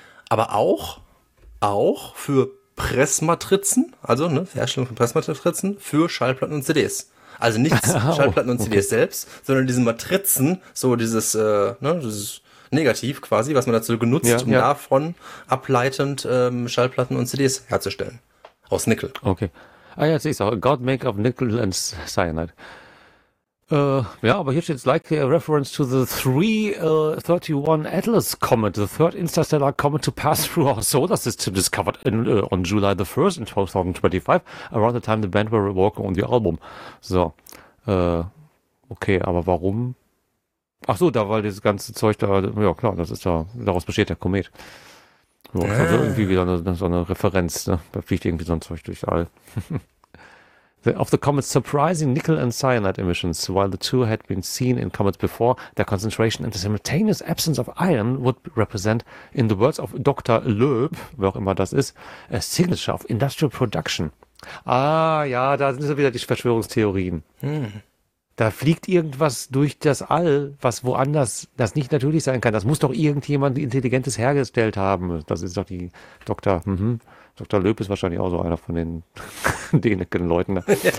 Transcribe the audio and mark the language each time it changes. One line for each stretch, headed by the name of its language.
German: Aber auch für Pressmatrizen, also ne, Herstellung von Pressmatrizen für Schallplatten und CDs. Also nicht Schallplatten und CDs selbst, sondern diese Matrizen, so dieses, dieses Negativ quasi, was man dazu genutzt, davon ableitend Schallplatten und CDs herzustellen. Aus Nickel. Okay. Ah ja, jetzt sehe ich es auch.
English: God make of Nickel and Cyanide.
German: Aber hier steht es
English: like a reference to the 331 Atlas Comet, the third interstellar comet to pass through our solar system, discovered on July the 1st in 2025, around the time the band were working on the album.
German: So. Okay, aber warum? Ach so, da war dieses ganze Zeug da, ja klar, das ist da, daraus besteht der Komet. So, das war irgendwie wieder so eine Referenz, ne? Da fliegt irgendwie so ein Zeug durchs All.
English: Of the comet's surprising nickel and cyanide emissions, while the two had been seen in comets before, their concentration and the simultaneous absence of iron would represent, in the words of Dr. Loeb,
German: wer auch immer das ist,
English: a signature of industrial production.
German: Ah ja, da sind so wieder die Verschwörungstheorien. Da fliegt irgendwas durch das All, was woanders, das nicht natürlich sein kann. Das muss doch irgendjemand Intelligentes hergestellt haben. Das ist doch die Dr. Dr. Löb ist wahrscheinlich auch so einer von den dänischen Leuten. Ne?